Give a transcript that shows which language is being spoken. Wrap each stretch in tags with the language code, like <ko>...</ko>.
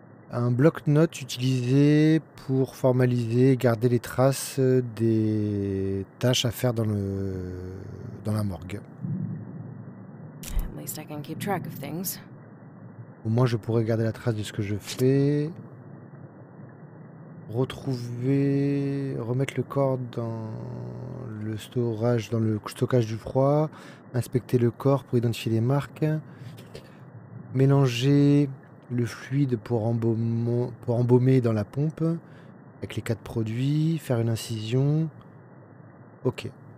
<fr>Un bloc-notes utilisé pour formaliser et garder les traces des tâches à faire dans la morgue.</fr> <en>At least I can keep track of things.</en> <fr>Au moins, je pourrais garder la trace de ce que je fais. Retrouver, remettre le corps dans le storage, dans le stockage du froid. Inspecter le corps pour identifier les marques. Mélanger le fluide pour embaumer dans la pompe avec les quatre produits, faire une incision. Ok.</fr>